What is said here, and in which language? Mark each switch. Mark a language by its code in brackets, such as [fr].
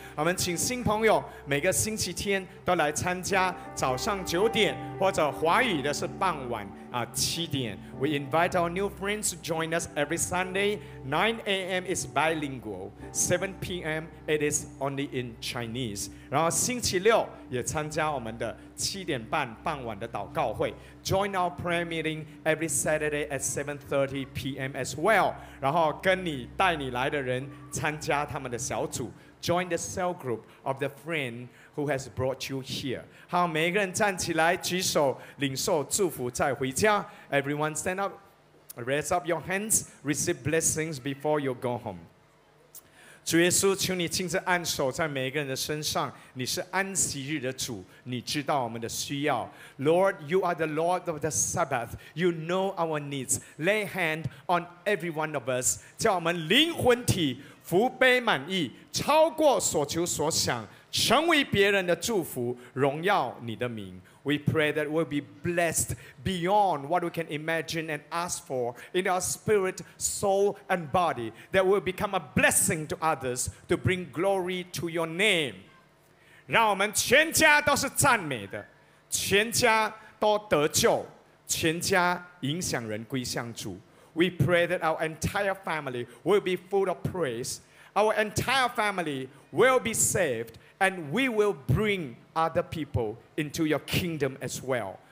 [zh] 我们请新朋友每个星期天都来参加，早上九点或者华语的是傍晚啊七点。 [en] We invite our new friends to join us every Sunday. 9 a.m. is bilingual. 7 p.m. it is only in Chinese. [zh] 然后星期六也参加我们的七点半傍晚的祷告会。 [en] Join our prayer meeting every Saturday at 7:30 p.m. as well. [zh] 然后跟你带你来的人参加他们的小组。 [en] Join the cell group of the friend who has brought you here. [zh] 好，每个人站起来，举手领受祝福再回家。 [en] Everyone stand up, raise up your hands, receive blessings before you go home. [zh] 主耶稣，求你亲自按手在每个人的身上。你是安息日的主，你知道我们的需要。 [en] Lord, you are the Lord of the Sabbath. You know our needs. Lay hand on every one of us. [zh] 叫我们灵魂体福杯满溢，超过所求所想，成为别人的祝福，荣耀你的名。 [en] We pray that we'll be blessed beyond what we can imagine and ask for in our spirit, soul, and body. That we'll become a blessing to others to bring glory to your name. [zh] 让我们全家都是赞美的，全家都得救，全家影响人归向主。 [en] We pray that our entire family will be full of praise. Our entire family will be saved. And we will bring other people into your kingdom as well.